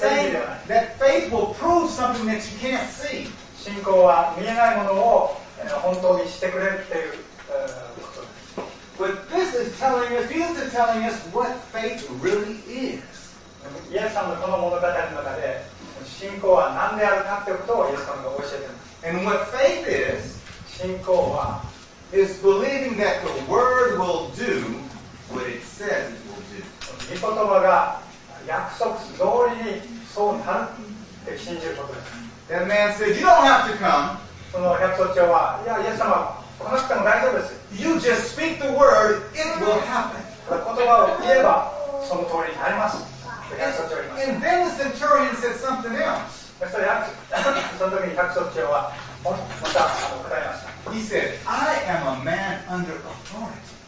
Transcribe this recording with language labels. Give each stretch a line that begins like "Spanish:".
English: saying that faith will prove something that you can't see.
Japanese: 信仰は見えないものを本当にしてくれるということです。
English: But this is telling us, Jesus is telling us what faith really is.
Japanese: イエス様のこの物語の中で信仰は何であるかということをイエス様が教えています。
English: And what faith is
Japanese: 信仰は
English: is believing that the word will do what it says it will do.
Japanese: 御言葉が約束通りにそうなるって信じることです。
English: That man said, you don't have to come.
Japanese: その百姓長は、いや、イエス様、来なくても大丈夫です。
English: You just speak the word, it will happen.
Japanese: 言葉を言えば、その通りになります。
English: And then the centurion said something else.
Japanese: その時に百姓長は、また答えました。
English: He said, I am a man under authority.